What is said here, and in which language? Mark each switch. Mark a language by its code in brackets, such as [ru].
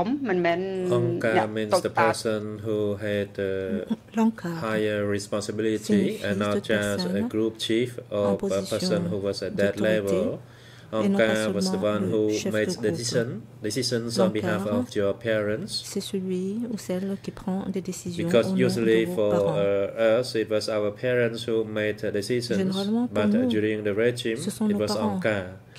[en] Encart means the person who had higher responsibility and not just a group chief or a person who was at that level. Encart was the one who made the decisions on behalf of your parents. [fr] C'est celui ou celle qui prend des décisions. [en] Because usually for us it was our parents who made the decisions, but during the regime it was encart.